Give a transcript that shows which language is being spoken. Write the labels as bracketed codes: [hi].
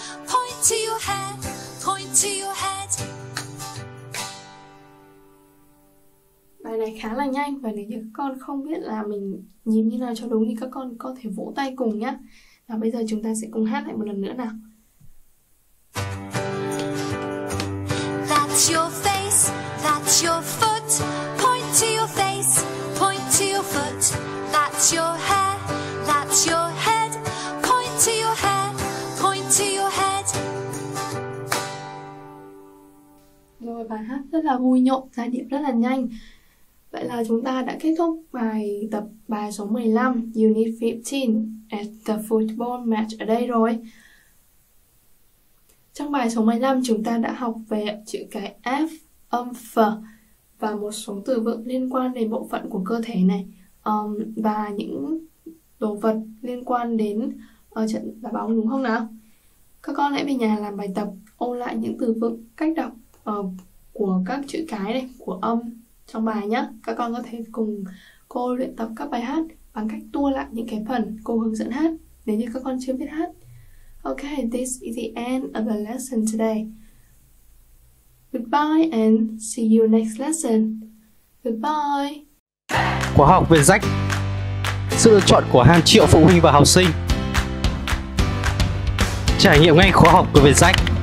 [en] Point to your hair. Point to your head. [vi] Bài này khá là nhanh và nếu như các con không biết là mình nhìn như nào cho đúng thì các con có thể vỗ tay cùng nhá. Và bây giờ chúng ta sẽ cùng hát lại một lần nữa nào. [en] That's your face, that's your foot, point to your face, point to your foot, that's your hair, that's your head, point to your hair, point to your head. [vi] Rồi, bài hát rất là vui nhộn, giai điệu rất là nhanh. Vậy là chúng ta đã kết thúc bài tập bài số 15, [en] Unit 15, at the football match [vi] ở đây rồi. Trong bài số 15, chúng ta đã học về chữ cái F, âm F và một số từ vựng liên quan đến bộ phận của cơ thể này và những đồ vật liên quan đến trận đá bóng đúng không nào? Các con hãy về nhà làm bài tập ôn lại những từ vựng, cách đọc của các chữ cái này, của âm trong bài nhé. Các con có thể cùng cô luyện tập các bài hát bằng cách tua lại những cái phần cô hướng dẫn hát nếu như các con chưa biết hát. [en] Ok, this is the end of the lesson today. Goodbye and see you next lesson. Goodbye. [vi] Khóa học Việt Rách, sự lựa chọn của hàng triệu phụ huynh và học sinh. Trải nghiệm ngay khóa học của Việt Rách.